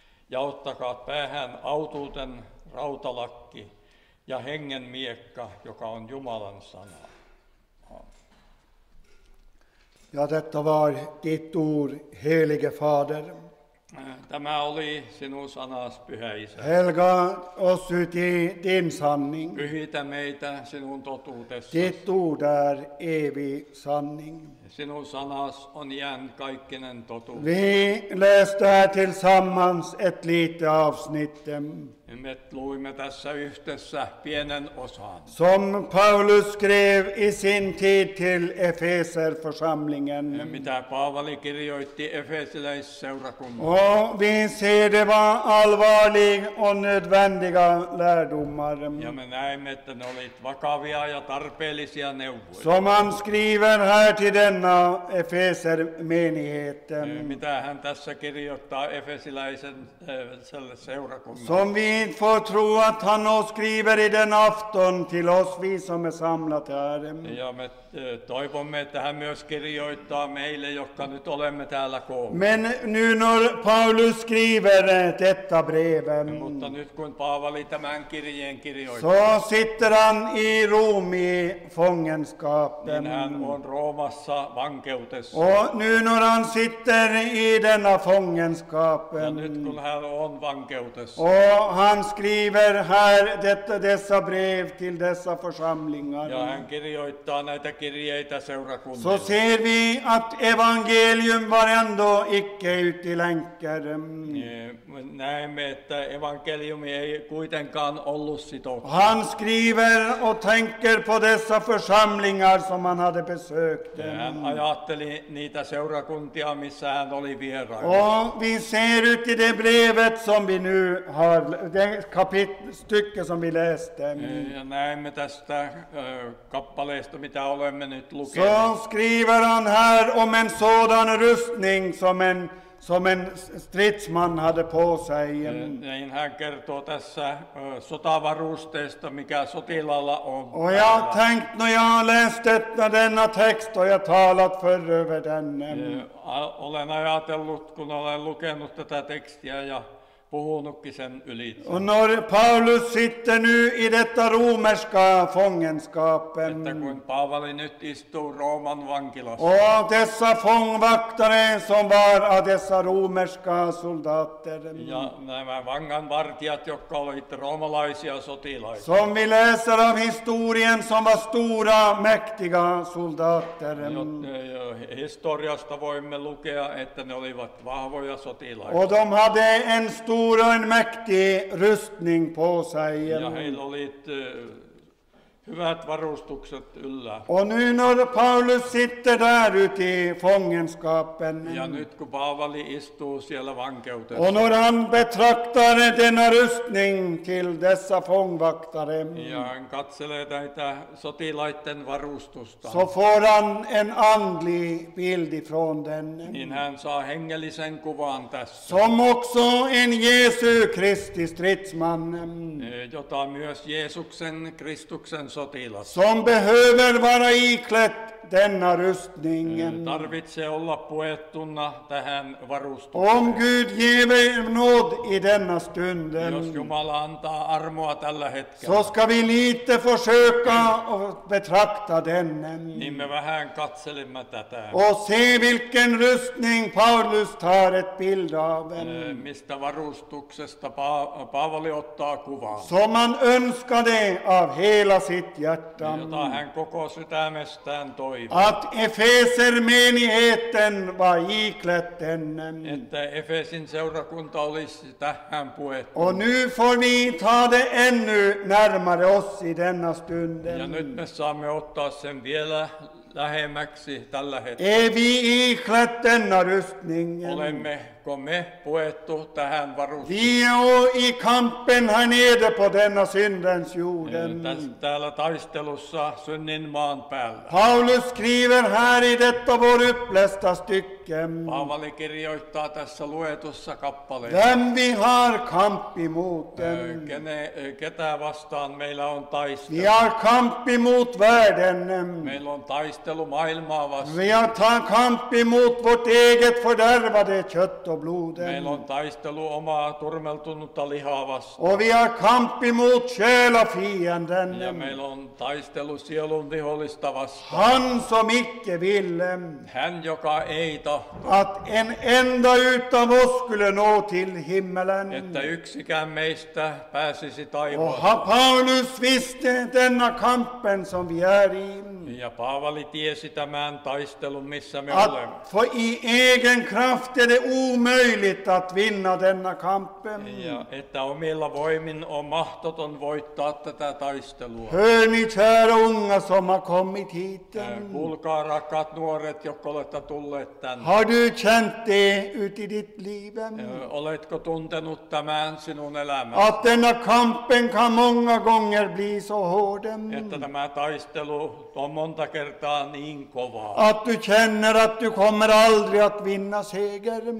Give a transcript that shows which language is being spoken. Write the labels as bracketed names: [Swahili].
[Finnish] Ja ottakaa päähän autuuden rautalakki ja hengen miekka, joka on Jumalan sana. [Swedish] Ja detta var ditt ord, helige fader. [Finnish] Tämä oli sinun sanas, pyhä isä. [Swedish] Helga oss uti din sanning. [Finnish] Pyhitä meitä sinun totuutessasi. [Swedish] Ditt ord är evig sanning. [Finnish] Sinun sanas on jään kaikkinen totuus. [Swedish] Vi läste tillsammans ett lite avsnitt. [Finnish] Me luimme tässä yhdessä pienen osan. [Swedish] Som Paulus skrev i sin tid till Efeserförsamlingen. [Finnish] Mitä Paavali kirjoitti Efesiläisseurakunnalle. [Swedish] Och vi ser det var allvarliga och nödvändiga lärdomar. [Finnish] Ja me näimme, että ne olivat vakavia ja tarpeellisia neuvoja. [Swedish] Som han skriver här till denna Efesermenigheten. [Finnish] Mitä hän tässä kirjoittaa Efesiläisen seurakunnalle. [Swedish] Som vi får tro att han skriver i den afton till oss vi som är samlat här. [Finnish] Ja, men toivomme, että hän myös kirjoittaa meille, jotka nyt olemme täällä koolla. [Swedish] Men nu när Paulus skriver detta brevet. [Finnish] Mutta nyt kun Paavali tämän kirjeen kirjoittaa. [Swedish] Så sitter han i Rom i fångenskapen. [Finnish] Niin hän on Roomassa vankeutessa. [Swedish] Och nu när han sitter i denna fångenskapen. [Finnish] Ja nyt kun hän on vankeutessa. [Swedish] Och han skriver här dessa brev till dessa församlingar. [Finnish] Ja hän kirjoittaa näitä kirjeitä seurakunnille. [Swedish] Så ser vi att evangelium var ändå icke ut i länkar. [Finnish] Näemme, että evankeliumi ei kuitenkaan ollut sitoutunut. [Swedish] Han skriver och tänker på dessa församlingar som han hade besökt. [Finnish] Ja hän ajatteli niitä seurakuntia, missä hän oli vieraillut. [Swedish] Och vi ser ut i det brevet som vi nu har, det stycke som vi läste. [Finnish] Ja näemme tästä kappaleesta, mitä olemme nyt lukeneet. [Swedish] Så skriver han här om en sådan rustning som en stridsman hade på sig. [Finnish] Niin hän kertoo tässä sotavarusteesta, mikä sotilalla on. [Swedish] Och jag tänkte när jag läste denna text och jag talat för över den. [Finnish] Olen ajatellut, kun olen lukenut tätä tekstiä ja puhunutkin sen ylitse. [Swedish] Och när Paulus sitter nu i detta romerska fångenskapen. [Finnish] Että kun Paavali nyt istuu Rooman vankilassa. [Swedish] Och dessa fångvaktare som var av dessa romerska soldater. [Finnish] Ja nämä vanganvartijat, jotka olivat roomalaisia sotilaita. [Swedish] Som vi läser av historien som var stora, mäktiga soldater. [Finnish] Historiasta voimme lukea, että ne olivat vahvoja sotilaita. [Swedish] Och de hade en stor en mäktig rustning på sig. [Finnish] Ja heillä oli hyvät varustukset yllä. [Swedish] Och nu när Paulus sitter där ute i fångenskapen. [Finnish] Ja nyt kun Paavali istuu siellä vankeutessa. [Swedish] Och när han betraktar denna rustning till dessa fångvaktare. [Finnish] Ja hän katselee näitä sotilaiden varustusta. [Swedish] Så får han en andlig bild ifrån den. [Finnish] Niin hän saa hengellisen kuvan tässä. [Swedish] Som också en Jesu Kristi stridsman. [Finnish] Jota myös Jeesuksen Kristuksen sotilas. [Swedish] Som behöver vara iklätt denna rustning. [Finnish] Tarvitse olla puettuna tähän varustukseen. [Swedish] Om Gud ger mig nåd i denna stunden. [Finnish] Jos Jumala antaa armoa tällä hetkellä. [Swedish] Så ska vi lite försöka betrakta dennen. [Finnish] Niin me vähän katselemme tätä. [Swedish] Och se vilken rustning Paulus tar ett bild av. [Finnish] Mistä varustuksesta Paavali ottaa kuvan. [Swedish] Som man önskade av hela sitt hjärta. [Finnish] Jota hän koko sydämestään toivoo. [Swedish] Att Efeser menigheten var iklätt ennen. [Finnish] Että Efesin seurakunta olisi tähän puettu. [Swedish] Och nu får vi ta det ännu närmare oss i denna stunden. [Finnish] Ja nyt me saamme ottaa sen vielä lähemmäksi tällä hetkellä. [Swedish] Är vi iklätt denna rustningen? [Finnish] Olemmeko me puettu tähän varustukseen? [Swedish] Vi är i kampen här nere på denna syndens jorden. [Finnish] Täällä taistelussa synnin maan päällä. [Swedish] Paulus skriver här i detta vår upplästa stycke. [Finnish] Paavali kirjoittaa tässä luetussa kappaleessa. [Swedish] Vem vi har kamp emot? [Finnish] Ketä vastaan meillä on taistelu? [Swedish] Vi har kamp emot världen. [Finnish] Meillä on taistelu maailmaa vastaan. [Swedish] Vi har kamp emot vårt eget fördärvade kött. [Finnish] Meillä on taistelu omaa turmeltunutta lihaa vastaan. [Swedish] Och vi har kamp emot själafienden. [Finnish] Ja meillä on taistelu sielun vihollista vastaan. [Swedish] Han som icke ville. [Finnish] Hän joka ei tahto. [Swedish] Att en enda utav oss skulle nå till himmelen. [Finnish] Että yksikään meistä pääsisi taivaan. [Swedish] Och Paulus visste denna kampen som vi är i. [Finnish] Ja Paavali tiesi tämän taistelun, missä me [Swedish] att [Finnish] olemme. [Swedish] För i egen kraft är det omöjligt att vinna denna kampen. [Finnish] Ja, että omilla voimin on mahtoton voittaa tätä taistelua. [Swedish] Hör ni kära unga som har kommit hit. [Finnish] Kuulkaa rakkaat nuoret, jotka olette tulleet tänne. [Swedish] Har du känt det ut i ditt liv? [Finnish] Oletko tuntenut tämän sinun elämän? [Swedish] Att denna kampen kan många gånger bli så hård. [Finnish] Että tämä taistelu on monta kertaa niin kova. [Swedish] Att du känner att du kommer aldrig att vinna seger.